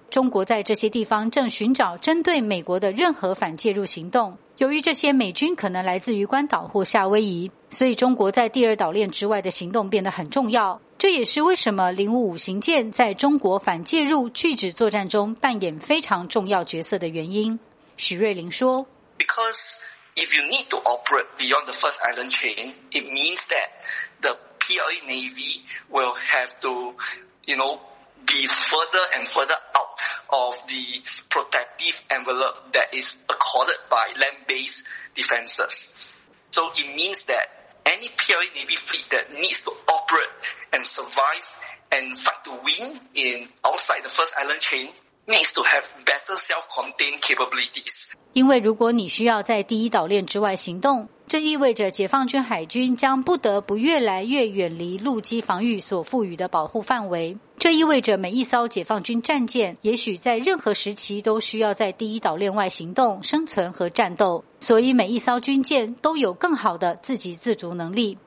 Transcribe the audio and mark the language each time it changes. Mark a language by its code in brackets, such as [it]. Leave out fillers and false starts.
[zh] 中国在这些地方正寻找针对美国的任何反介入行动，由于这些美军可能来自于关岛或夏威夷，所以中国在第二岛链之外的行动变得很重要。这也是为什么055型舰在中国反介入拒止作战中扮演非常重要角色的原因。许瑞玲说， [en] Because if you need to operate beyond the first island chain, it means that the PLA Navy will have to, you know, be further and further out of the protective envelope that is accorded by land-based defenses. So it means that any PLA Navy fleet that needs to operate and survive and fight to win in outside the first island chain needs to have better self-contained capabilities. [zh] 因为如果你需要在第一岛链之外行动，这意味着解放军海军将不得不越来越远离陆基防御所赋予的保护范围。这意味着每一艘解放军战舰也许在任何时期都需要在第一岛链外行动、生存和战斗，所以每一艘军舰都有更好的自给自足能力。